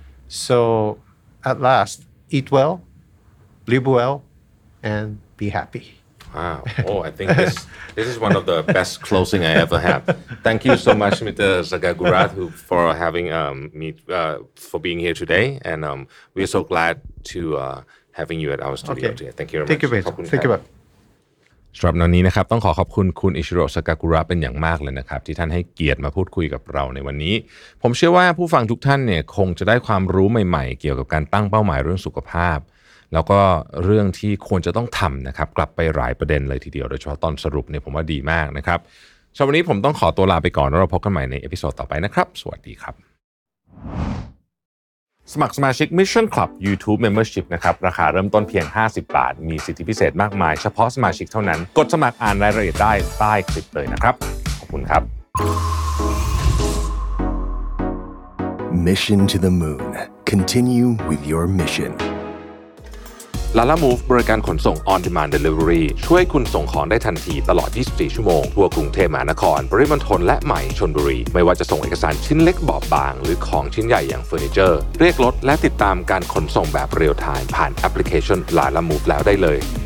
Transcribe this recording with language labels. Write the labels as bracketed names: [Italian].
[English] So at last, eat well, live well, and be happy. Wow. Oh, I think this is one of the best closing I ever had. Thank you so much, Mr. Sagagurath, for having me, for being here today. And we are so glad to having you at our studio today. Thank you very much. Thank you very much. [Thai] สำหรับวันนี้นะครับต้องขอขอบคุณคุณอิชิโร่ซากากุระเป็นอย่างมากเลยนะครับที่ท่านให้เกียรติมาพูดคุยกับเราในวันนี้ผมเชื่อว่าผู้ฟังทุกท่านเนี่ยคงจะได้ความรู้ใหม่ๆเกี่ยวกับการตั้งเป้าหมายเรื่องสุขภาพแล้วก็เรื่องที่ควรจะต้องทำนะครับกลับไปหลายประเด็นเลยทีเดียวโดยเฉพาะตอนสรุปเนี่ยผมว่าดีมากนะครับสำหรับวันนี้ผมต้องขอตัวลาไปก่อนแล้วเราพบกันใหม่ในเอพิโซดต่อไปนะครับสวัสดีครับ สมัครสมาชิก Mission Club YouTube Membership นะครับราคาเริ่มต้นเพียง50บาทมีสิทธิพิเศษมากมายเฉพาะสมาชิกเท่านั้นกดสมัครอ่านรายละเอียดได้ใต้คลิปเลยนะครับขอบคุณครับ [English] Mission to the Moon Continue with your mission [Thai] Lala Move บริการขนส่ง On Demand Delivery ช่วยคุณส่งของได้ทันทีตลอด24ชั่วโมงทั่วกรุงเทพมหานครปริมณฑลและใหม่ชลบุรีไม่ว่าจะส่งเอกสารชิ้นเล็กบอบบางหรือของชิ้นใหญ่อย่างเฟอร์นิเจอร์เรียกรถและติดตามการขนส่งแบบเรียลไทม์ผ่านแอปพลิเคชัน Lala Move แล้วได้เลย